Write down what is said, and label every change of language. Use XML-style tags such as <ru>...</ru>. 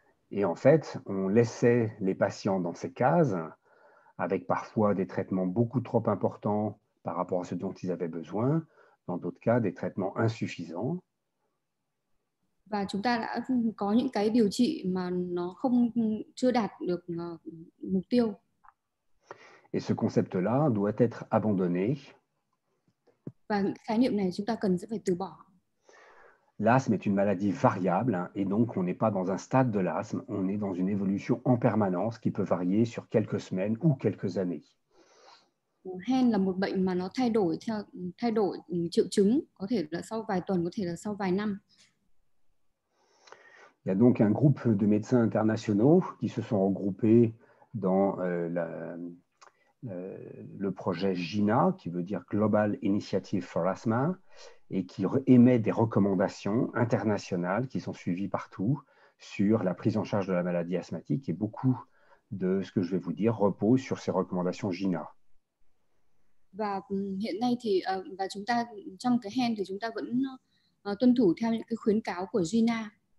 <fr>Et en fait, on laissait les patients dans ces cases, avec parfois des traitements beaucoup trop importants par rapport à ce dont ils avaient besoin, dans d'autres cas, des traitements insuffisants.</fr> <vi>Và chúng ta đã có những cái điều trị mà nó không chưa đạt được mục tiêu.</vi> <fr>Et ce concept-là doit être abandonné.</fr> <vi>Và những khái niệm này chúng ta cần sẽ phải từ bỏ.</vi> <fr>L'asthme est une maladie variable et donc on n'est pas dans un stade de l'asthme, on est dans une évolution en permanence qui peut varier sur quelques semaines ou quelques années.</fr> <vi>Hen là một bệnh mà nó thay đổi triệu chứng, có thể là sau vài tuần, có thể là sau vài năm.</vi> <fr>Y a donc un groupe de médecins internationaux qui se sont regroupés dans le projet GINA, qui veut dire Global Initiative for Asthma, et qui émet des recommandations internationales qui sont suivies partout sur la prise en charge de la maladie asthmatique. Et beaucoup de ce que je vais vous dire repose sur ces recommandations GINA.</fr> <vi>Và hiện nay thì và chúng ta trong cái hen thì chúng ta vẫn tuân thủ theo những cái khuyến cáo của Gina.</vi>